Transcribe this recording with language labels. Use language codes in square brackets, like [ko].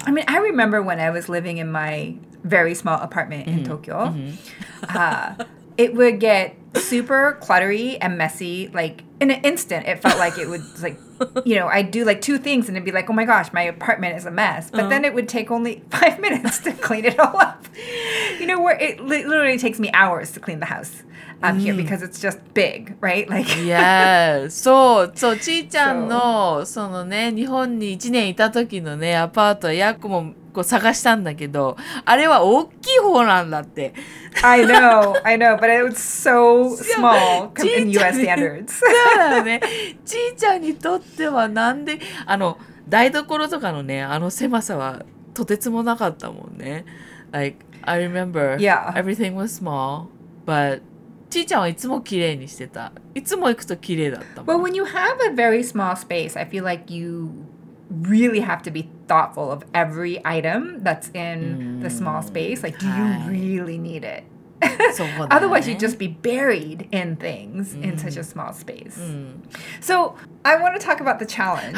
[en] I mean I remember when I was living in my very small apartment in Tokyo it would get super cluttery and messy like in an instant it felt like it would likeYou know, I'd do like two things and it'd be like, oh my gosh, my apartment is a mess. But then it would take only 5 minutes to clean it all up. You know, where it literally takes me hours to clean the house here because it's just big, right? Like, yes. [ja] So, so, ちいちゃんの、そのね、日本に1年いた時のね、アパート、やっこもこう探したんだけど、あれは大きい方なんだって。 [en] I know, I know, but it was so small in US standards. [ja] そうだね。ちいちゃんにとってはなんで、あの、台所とかのね、あの狭さはとてつもなかったもんね。 [en] Like, I remember everything was small, but [ja] ちいちゃんはいつもきれいにしてた。いつも行くときれいだったもん。 [en] Well, when you have a very small space, I feel like you really have to be thoughtful of every item that's in the small space. Like, do you really need it? Otherwise, you'd just be buried in things in such a small space. So, I want to talk about the challenge.